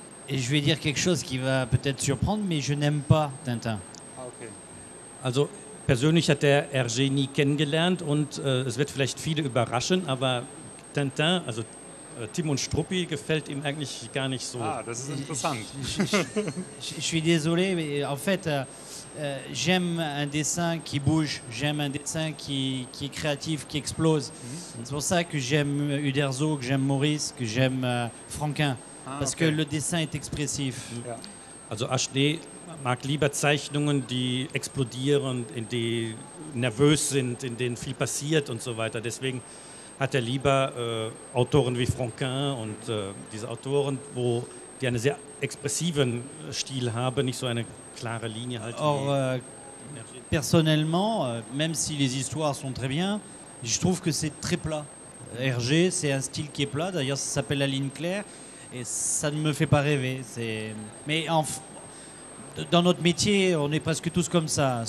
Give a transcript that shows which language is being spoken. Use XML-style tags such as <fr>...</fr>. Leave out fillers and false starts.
<fr>Et je vais dire quelque chose qui va peut-être surprendre, mais je n'aime pas Tintin. Ah, ok.</fr> <de>Also, persönlich hat der Hergé nie kennengelernt. Und es wird vielleicht viele überraschen, aber Tintin, also Tim und Struppi, gefällt ihm eigentlich gar nicht so. Ah, das ist interessant.</de> <fr>Je suis désolé, mais en fait. J'aime un dessin qui bouge, j'aime un dessin qui est créatif, qui explose. Mm-hmm. C'est pour ça que j'aime Uderzo, que j'aime Maurice, que j'aime Franquin. Ah, parce okay. que le dessin est expressif. Yeah.</fr> <de>Also Ashley mag lieber Zeichnungen, die explodieren, in die nervös sind, in denen viel passiert und so weiter. Deswegen hat lieber Autoren wie Franquin und diese Autoren, wo die einen sehr expressiven Stil haben, nicht so eine klare Linie halt.</de> <fr>Or, personnellement, même si les histoires sont très bien, je trouve que c'est très plat. Hergé, c'est un style qui est plat, d'ailleurs ça s'appelle la ligne claire, et ça ne me fait pas rêver. C'est... Mais dans notre métier, on est presque tous comme ça.</fr>